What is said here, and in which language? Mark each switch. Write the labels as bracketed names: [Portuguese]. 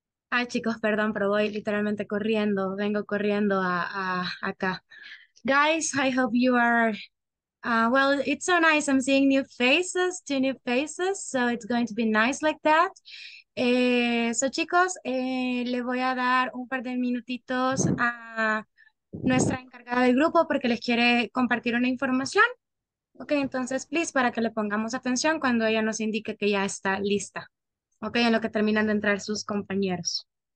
[Spanish] Ay, chicos, perdón, pero voy literalmente corriendo, vengo corriendo a acá. [English] Guys, I hope you are well, it's so nice. I'm seeing new faces, two new faces, so it's going to be nice like that. [Spanish] So chicos, le voy a dar un par de minutitos a nuestra encargada del grupo porque les quiere compartir una información. Ok, entonces, please, para que le pongamos atención cuando ella nos indique que ya está lista. Ok, en lo que terminan de entrar sus compañeros.